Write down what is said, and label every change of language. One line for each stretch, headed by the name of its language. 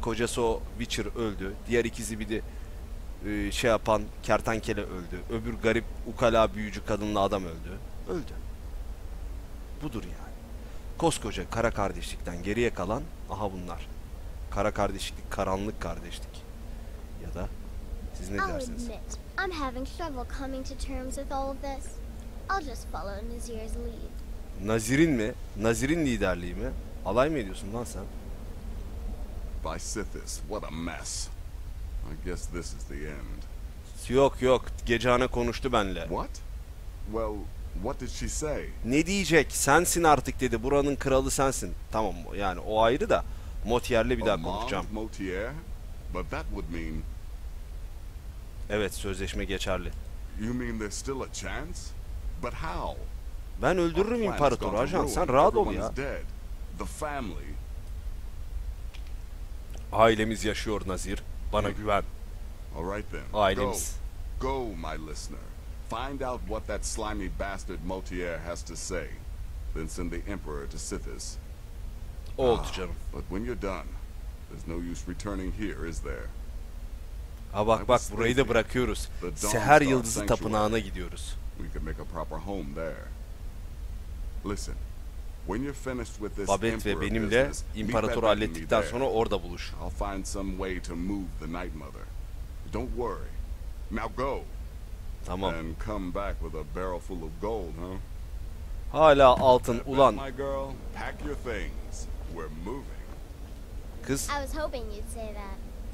Turkish: Kocası o Witcher öldü. Diğer ikizi bir de şey yapan kertenkele öldü. Öbür garip ukala büyücü kadınla adam öldü. Öldü. Budur yani. Koskoca kara kardeşlikten geriye kalan aha bunlar. Kara kardeşlik, karanlık kardeşlik. Ya da siz ne
English: I'll
Turkish: dersiniz?
English: admit, I'm having trouble coming to terms with all of this. I'll just follow Nazir's lead.
Turkish: Nazirin mi? Nazirin liderliği mi? Alay mı ediyorsun lan sen?
English: By Sithis, what a mess. I guess this is the end.
Turkish: Yok yok, Gecehan'a konuştu benle.
English: What? Well, what did she say?
Turkish: Ne diyecek? Sensin artık dedi. Buranın kralı sensin. Tamam, yani o ayrı da. Motier'le bir
English: A
Turkish: daha konuşacağım.
English: mob of Motier? But that would mean...
Turkish: Evet, sözleşme geçerli.
English: You mean there's still a chance? But how?
Turkish: Ben öldürürüm imparatoru ajan, sen rahat ol ya.
English: The family.
Turkish: Ailemiz yaşıyor Nazir. Bana güven.
English: All right then.
Turkish: Ailemiz.
English: Go, my listener. Find out what that slimy bastard Motier has to say. Then send the Emperor to Sithis.
Turkish: Oldu canım.
English: But when you're done, there's no use returning here, is there?
Turkish: Ha bak bak, burayı da bırakıyoruz. Seher Yıldızı Tapınağı'na gidiyoruz.
English: We can make a proper home there. Listen. When you're finished with this
Turkish: Babet ve benimle imparatoru hallettikten sonra orada buluş.
English: I'll find some way to move the Night Mother. Don't worry. Now go.
Turkish: Tamam.
English: And come back with a barrel full of gold, huh?
Turkish: Hala altın ulan.
English: My girl, pack your things. We're moving.
Turkish: Kız.
English: I was hoping you'd say that.